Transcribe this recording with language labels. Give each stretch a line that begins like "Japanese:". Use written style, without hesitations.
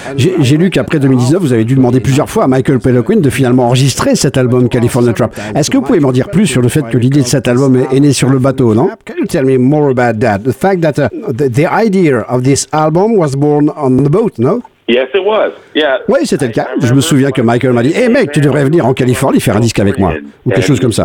French: J'ai lu qu'après 2019, vous avez dû demander plusieurs fois à Michael Peloquin de finalement enregistrer cet album California Trap. Est-ce que vous pouvez m'en dire plus sur le fait que l'idée de cet album est née sur le bateau, non?
English: Can you tell me more about that? The fact that the idea of this album was born on the boat, no? Yes, it was. Yeah.
French: Oui, c'était le cas. Je me souviens que Michael m'a dit, hey mec, tu devrais venir en Californie faire un disque avec moi, ou quelque chose comme ça.